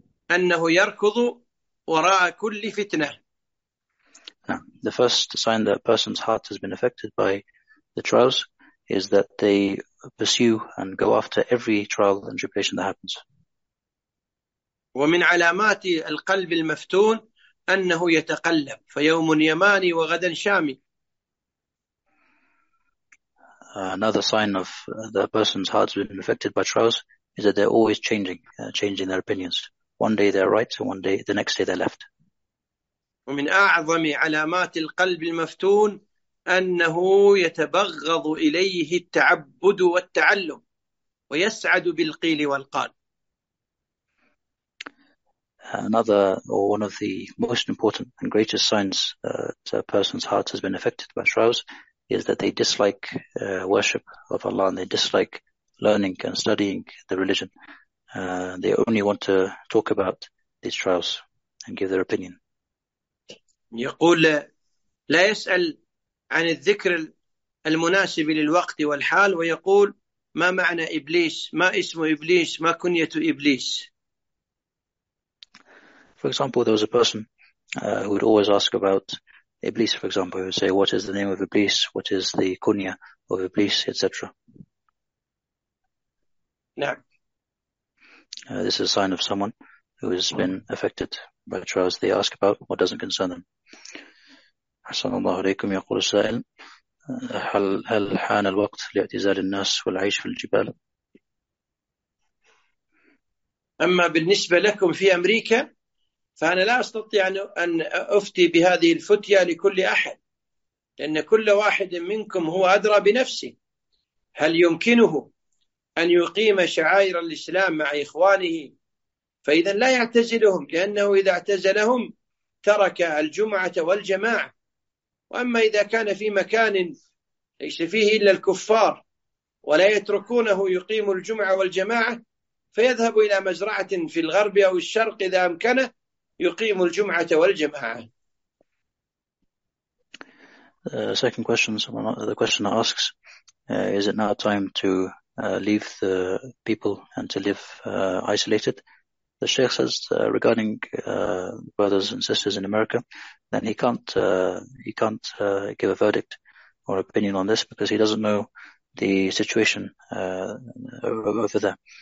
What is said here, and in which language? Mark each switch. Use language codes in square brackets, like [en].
[ar] أنه يركض وراء كل فتنة. [en] Now, the first sign that a person's heart has been affected by the trials is that they pursue and go after every trial and tribulation that happens. [ar] ومن علامات القلب المفتون أنه يتقلب، فيوم يماني وغدا شامي. [en] Another sign of the person's heart has been affected by trials is that they're always changing their opinions. One day they're right, and one day, the next day they're left. [ar] ومن أعظم علامات القلب المفتون أنه يتبغض إليه التعبد والتعلم ويسعد بالقيل والقال. [en] Another, or one of the most important and greatest signs that a person's heart has been affected by trials is that they dislike worship of Allah, and they dislike learning and studying the religion. They only want to talk about these trials and give their opinion. [ar] يقول لا يسأل عن الذكر المناسب للوقت والحال، ويقول ما معنى إبليس، ما اسم إبليس، ما كنية إبليس. [en] For example, there was a person who would always ask about Iblis, for example. He would say, what is the name of Iblis? What is the kunya of Iblis, etc.? [ar] نعم. [en] This is a sign of someone who has been affected by the trials. They ask about what doesn't concern them. [ar] Assalamu alaikum, yaqul as-sa'il. هل حان الوقت لاعتزال الناس والعيش في الجبال؟ أما بالنسبة لكم في أمريكا فأنا لا أستطيع أن أفتي بهذه الفتية لكل أحد، لأن كل واحد منكم هو أدرى بنفسه، هل يمكنه أن يقيم شعائر الإسلام مع إخوانه؟ فإذا لا يعتزلهم، لأنه إذا اعتزلهم ترك الجمعة والجماعة. وأما إذا كان في مكان ليس فيه إلا الكفار ولا يتركونه يقيم الجمعة والجماعة، فيذهب إلى مزرعة في الغرب أو الشرق إذا أمكنه يقيم الجمعة والجماعة. [en] Second question, someone, the questioner asks, is it now time to leave the people and to live isolated? The Sheikh says, regarding brothers and sisters in America, then he can't give a verdict or opinion on this because he doesn't know the situation over there.